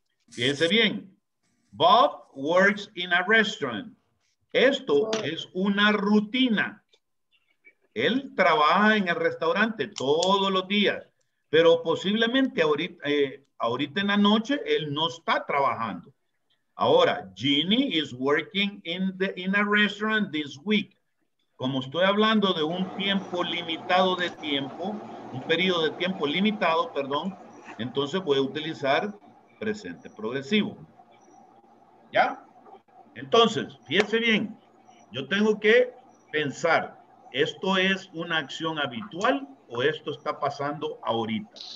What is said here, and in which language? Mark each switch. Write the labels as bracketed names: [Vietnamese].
[Spanish] Fíjense bien, [English] Bob works in a restaurant. [Spanish] Esto es una rutina. Él trabaja en el restaurante todos los días, pero posiblemente ahorita en la noche él no está trabajando. [English] Ahora, Ginny is working in a restaurant this week. [Spanish] Como estoy hablando de un tiempo limitado de tiempo, un periodo de tiempo limitado, perdón, entonces voy a utilizar presente progresivo. ¿Ya? Entonces, fíjense bien, yo tengo que pensar, ¿esto es una acción habitual o esto está pasando ahorita?